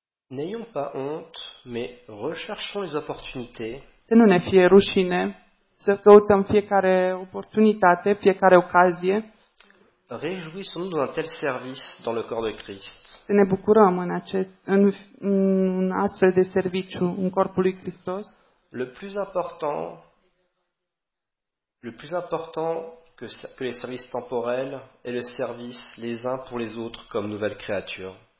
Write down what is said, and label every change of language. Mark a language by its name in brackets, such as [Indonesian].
[French] N'ayons pas honte, mais recherchons les opportunités. [Romanian] Să nu ne fie rușine, să căutăm fiecare oportunitate, fiecare ocazie. [French] Réjouissons-nous d'un tel service dans le corps de Christ. [Romanian] Să ne bucurăm în acest în astfel de serviciu în corpul lui Hristos. [French] Le plus important que les services temporels est le service les uns pour les autres comme nouvelles créatures.